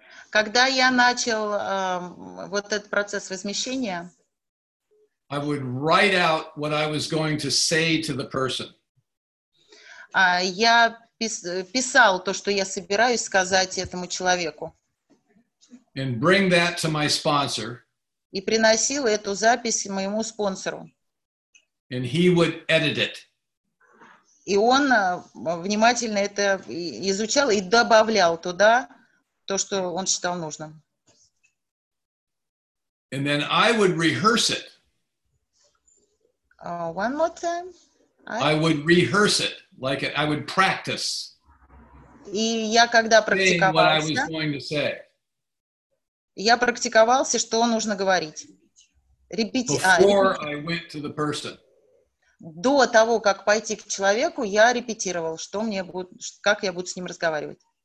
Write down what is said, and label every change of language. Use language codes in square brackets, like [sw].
[ru] когда я начал вот этот процесс возмещения, [en] I would write out what I was going to say to the person. [ru] Я писал то, что я собираюсь сказать этому человеку. [en] And bring that to my sponsor. [ru] И приносил эту запись моему спонсору. [en] And he would edit it. [ru] И он внимательно это изучал и добавлял туда то, что он считал нужным. [en] And then I would rehearse it. One more time. I would rehearse it, like I would practice. [ru] И я когда практиковался, [en] saying what I was going to say. [ru] Я практиковался, что нужно говорить. [en] Before I went to the person. [ru] До того, как пойти к человеку, я репетировал, что мне будет, как я буду с ним разговаривать.